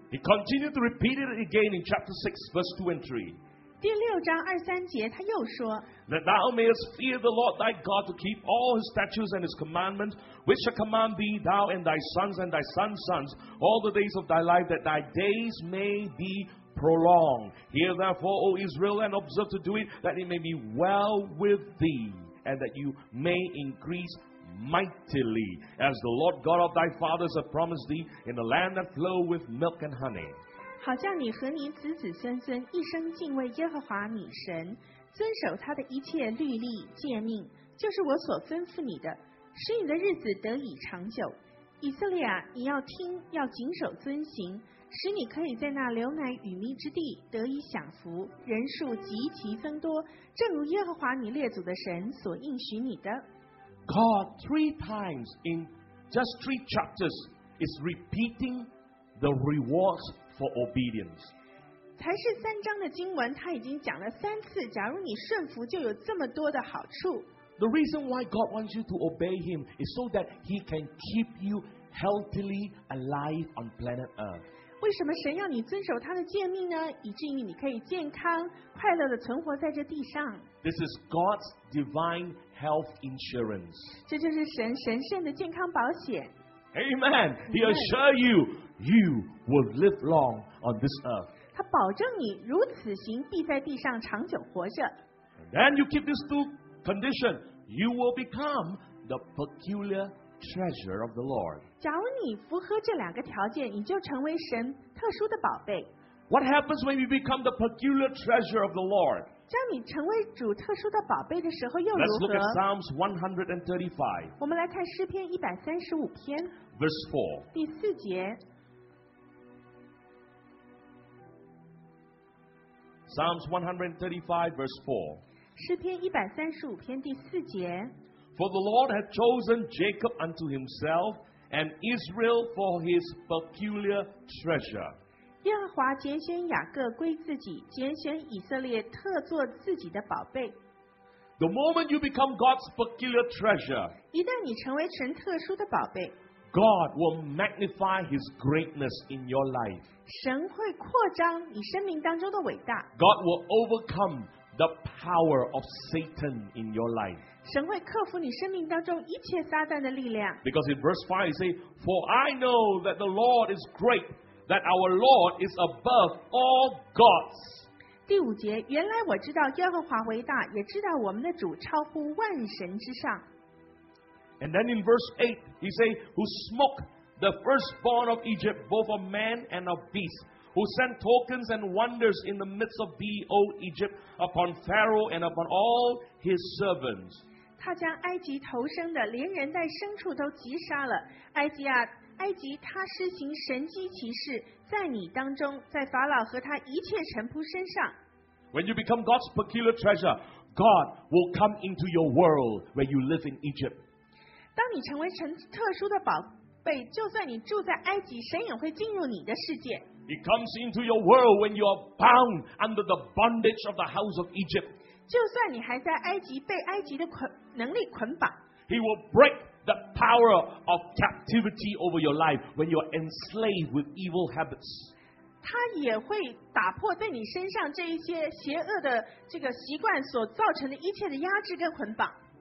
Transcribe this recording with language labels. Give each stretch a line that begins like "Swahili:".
English: He continued to repeat it again in chapter 6, verse 2 and 3.
Chinese: 第六章二三节他又说，
English: That thou mayest fear the Lord thy God to keep all his statutes and his commandments, which shall command thee, thou and thy sons' sons, all the days of thy life, that thy days may be prolonged. Hear therefore, O Israel, and observe to do it, that it may be well with thee, and that you may increase. Mightily, as the Lord God of thy fathers have promised thee, in the land that flows with milk and honey.
Chinese: 好叫你和你子子孙孙一生敬畏耶和华你神，遵守他的一切律例诫命，就是我所吩咐你的，使你的日子得以长久。以色列啊，你要听，要谨守遵行，使你可以在那流奶与蜜之地得以享福，人数极其增多，正如耶和华你列祖的神所应许你的。
English: God three times in just three chapters is repeating the rewards for obedience.
Chinese: 才是三章的经文，他已经讲了三次。假如你顺服，就有这么多的好处。
English: The reason why God wants you to obey Him is so that He can keep you healthily alive on planet Earth.
Chinese: 为什么神要你遵守他的诫命呢？以至于你可以健康快乐的存活在这地上。
English: This is God's divine. Health insurance.
Chinese: 这就是神圣的健康保险。
English: Amen. He assure you, you will live long on this earth.
Chinese: 他保证你如此行，必在地上长久活着。
English: Then you keep these two conditions, you will become the peculiar treasure of the Lord.
Chinese: 假如你符合这两个条件，你就成为神特殊的宝贝。
English: What happens when you become the peculiar treasure of the Lord?
Chinese: 当你成为主特殊的宝贝的时候又如何？
English: Let's look at Psalms 135.
Chinese: 我们来看诗篇135篇。
English: Verse 4.
Chinese: 第四节。
English: Psalms 135, verse 4.
Chinese: 诗篇135篇第四节。
English: For the Lord hath chosen Jacob unto himself, and Israel for his peculiar treasure.
Chinese: 耶和华拣选雅各归自己，拣选以色列特作自己的宝贝。
English: The moment you become God's peculiar treasure,
Chinese: 一旦你成为神特殊的宝贝，
English: God will magnify His greatness in your life.
Chinese: 神会扩张你生命当中的伟大。
English: God will overcome the power of Satan in your life.
Chinese: 神会克服你生命当中一切撒旦的力量。
English: Because in verse 5 he says, For I know that the Lord is great, that our Lord is above all gods.
Chinese: 第五节，原来我知道耶和华为大，也知道我们的主超乎万神之上。
English: And then in verse 8, he says, Who smote the firstborn of Egypt, both of man and of beast, who sent tokens and wonders in the midst of thee, O Egypt, upon Pharaoh and upon all his servants.
Chinese: 他将埃及头生的，连人带牲畜都击杀了。埃及啊，埃及他施行神迹奇事。在你当中，在法老和他一切臣仆身上。
English: When you become God's peculiar treasure, God will come into your world where you live in Egypt.
Chinese: 当你成为神特殊的宝贝，就算你住在埃及，神也会进入你的世界。
English: He comes into your world when you are bound under the bondage of the house of Egypt.
Chinese: 就算你还在埃及，被埃及的能力捆绑。
English: He will break. The power of captivity over your life when you are enslaved with evil habits.
Chinese: 他也会打破在你身上这一些邪恶的这个习惯所造成的一切的压制跟捆绑。